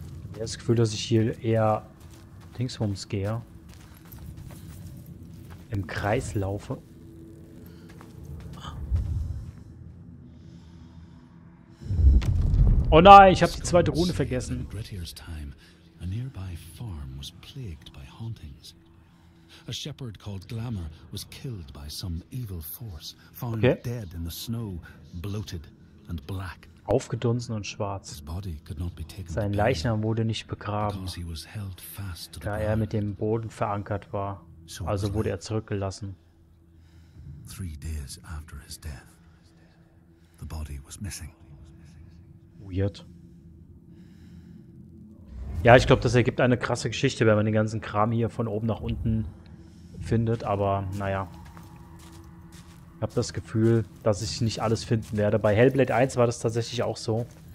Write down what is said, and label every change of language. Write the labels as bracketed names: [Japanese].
[German] Ich habe das Gefühl, dass ich hier eher Dingsbums gehe. Im Kreis laufe. Oh nein, ich habe die zweite Rune vergessen. [English] A nearby farm was plagued by hauntings. A shepherd called Glamour was killed by some evil force, found dead in the snow, bloated and black. [German] Aufgedunsen und schwarz. Sein Leichnam wurde nicht begraben, da er mit dem Boden verankert war. Also wurde er zurückgelassen. [English] 3 days after his death, the body was missing. Weird. [German] Ja, ich glaube, das ergibt eine krasse Geschichte, wenn man den ganzen Kram hier von oben nach unten findet. Aber naja, ich habe das Gefühl, dass ich nicht alles finden werde. Bei Hellblade 1 war das tatsächlich auch so.